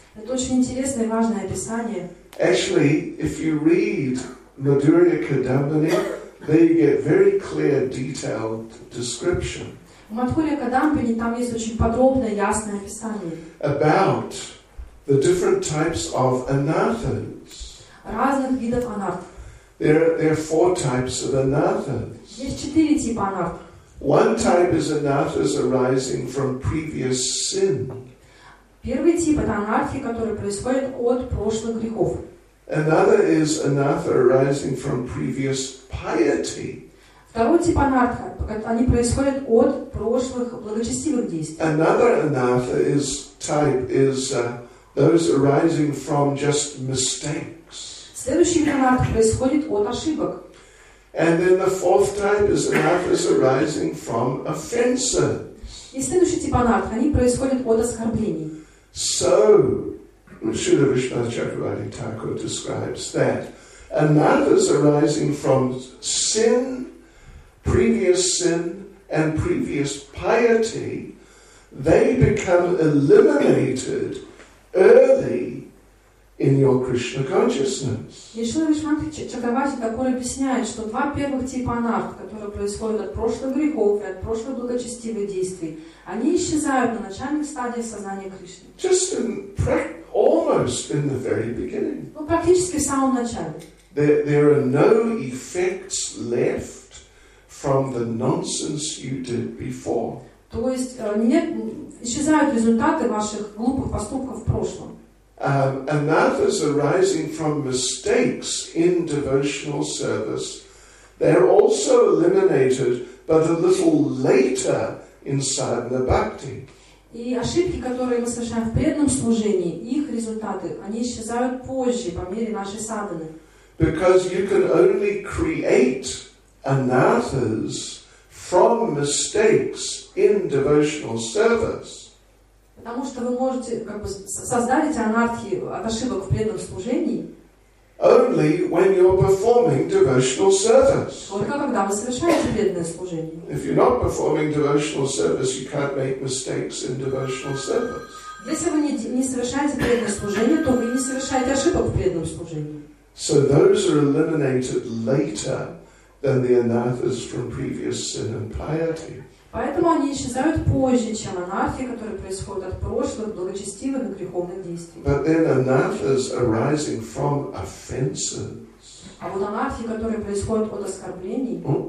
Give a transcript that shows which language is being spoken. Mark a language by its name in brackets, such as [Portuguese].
[Russian] Это очень интересное и важное описание. [English] Actually, if you read Madhurya Kadambini, there you get very clear, detailed description. [Russian] У Мадхурья Кадамбини там есть очень подробное, ясное описание. [English] About the different types of anarthas. [Russian] Разных видов анарт. [English] There are four types of anarthas. [Russian] Есть четыре типа анарт. [English] One type is anarthas arising from previous sin. [Russian] Первый тип — это анархия, которая происходит от прошлых грехов. [English] Another is anartha arising from previous piety. [Russian] Второй тип анартха, они происходят от прошлых благочестивых действий. [English] Another anartha is type is those arising from just mistakes. [Russian] Следующий анартх происходит от ошибок. [English] And then the fourth type is anarthas arising from offenses. [Russian] И следующий тип анартха, они происходят от оскорблений. [English] So, Śrīla Viṣṇupāda Chakravarti Thakura describes that anarthas arising from sin, and previous piety, they become eliminated early in your Krishna consciousness. [Russian] Śrīla Viṣṇupāda Chakravarti Thakura объясняет, что два первых типа анарт, которые происходят от прошлых грехов и от прошлых благочестивых действий, они исчезают на начальных стадиях сознания Кришны. [English] Just in almost in the very beginning. [Russian] Ну, практически в самом начале. [English] There are no effects left from the nonsense you did before. [Russian] То есть нет, исчезают результаты ваших глупых поступков в прошлом. [English] Anarthas arising from mistakes in devotional service, they're also eliminated, but a little later. In sadhana bhakti. [Russian] И ошибки, которые мы совершаем в преданном служении, их результаты, они исчезают позже, по мере нашей садханы. [English] Because you can only create anarthas from mistakes in devotional service. [Russian] Потому что вы можете как бы создать эти анартхи от ошибок в преданном служении. [English] Only when you're performing devotional service. [Russian] Только когда вы совершаете преданное служение. [English] If you're not performing devotional service, you can't make mistakes in devotional service. [Russian] Если вы не совершаете преданное служение, то вы не совершаете ошибок в преданном служении. [English] So those are eliminated later than the anarthas from previous sin and piety. [Russian] Поэтому они исчезают позже, чем анархи, которые происходят от прошлых благочестивых и греховных действий. [English] But then anarthas arising from offenses. [Russian] А вот анархи, которые происходят от оскорблений.